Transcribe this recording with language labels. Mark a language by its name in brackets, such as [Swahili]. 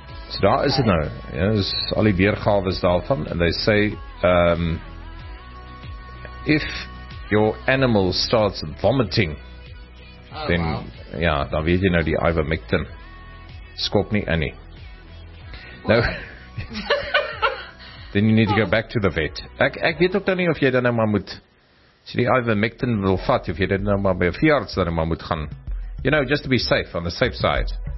[Afrikaans] So daar is dit nou. Ja, is al die weergawe is daarvan [English] and they say if your animal starts vomiting, then [Afrikaans] ja, dan weet jy nou die ivermectin skop nie in nie. Nou [English] then you need to go back to the vet. [Afrikaans] Ek weet ook dan nie of jy dan nou maar moet as jy die ivermectin wil vat of jy dit nou maar by 'n veearts dan nou maar moet gaan. [English] You know, just to be safe on the safe side.